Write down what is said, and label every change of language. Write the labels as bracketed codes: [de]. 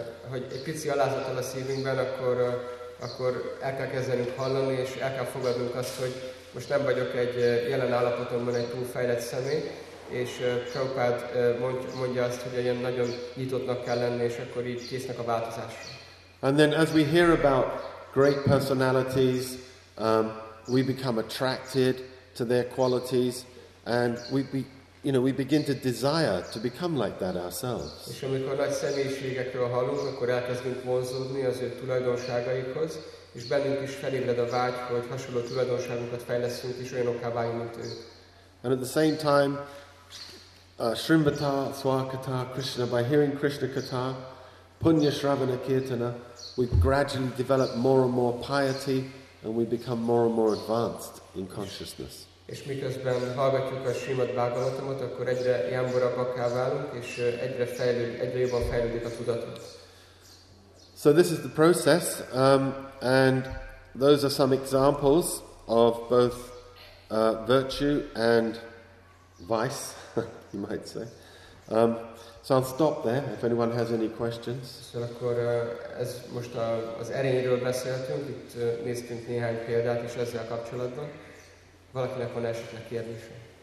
[hu] Hogy egy pici alázattal a szívünkben, akkor el kell kezdenünk hallani, és el kell fogadnunk azt, hogy most nem vagyok egy jelen állapotomban egy túl fejlett személy, és Prabhupada mondja azt, hogy ilyen nagyon nyitottnak kell lenni, és akkor így késznek a változásra. [en] And then as we hear about great personalities, we become attracted, to their qualities, and we begin to desire to become like that ourselves. [hu] És amikor nagy személyiségekről hallunk, akkor elkezdünk vonzódni az ő tulajdonságaikhoz, és bennünk is felébred a vágy, hogy hasonló tulajdonságunkat fejlesztünk és olyanokká váljunk, mint ő. [en] And at the same time, Srimbata, Swakata, Krishna, by hearing Krishna Kata, Punya Shravana Kirtana, we gradually develop more and more piety, and we become more and more advanced in consciousness. [hu] És miközben hallgatjuk a Srimad Bhagavatamot, akkor egyre jámborabbakká válunk, és egyre jobban fejlődik a tudatunk. [en] So this is the process, and those are some examples of both virtue and vice, you might say. So I'll stop there if anyone has any questions. [hu] So akkor ez most az erényről beszéltünk, itt néztünk néhány példát is ezzel kapcsolatban. Valakinek van esetleg kérdése?